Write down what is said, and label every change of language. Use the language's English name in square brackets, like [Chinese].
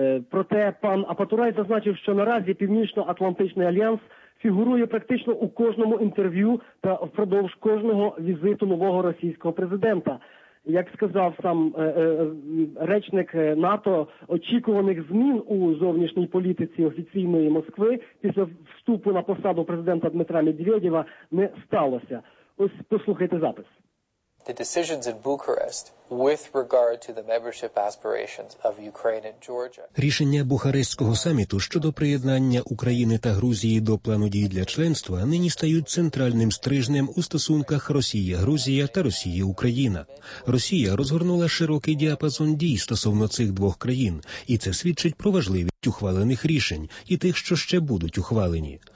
[Ukrainian] Проте пан Апатурай зазначив, що наразі Північно-Атлантичний Альянс фігурує практично у кожному інтерв'ю та впродовж кожного візиту нового російського президента. – Як сказав сам речник НАТО, очікуваних змін у зовнішній політиці офіційної Москви після вступу на посаду президента Дмитра Медведєва не сталося. Ось послухайте запис. [English] The decisions in Bucharest with regard to the membership aspirations of Ukraine and Georgia. [Ukrainian] Рішення Бухарестського саміту щодо приєднання України та Грузії до плану дій для членства нині стають центральним стрижнем у стосунках Росія-Грузія та Росія-Україна. Росія розгорнула широкий діапазон дій стосовно цих двох країн, і це свідчить про важливість ухвалених рішень і тих, що ще будуть ухвалені.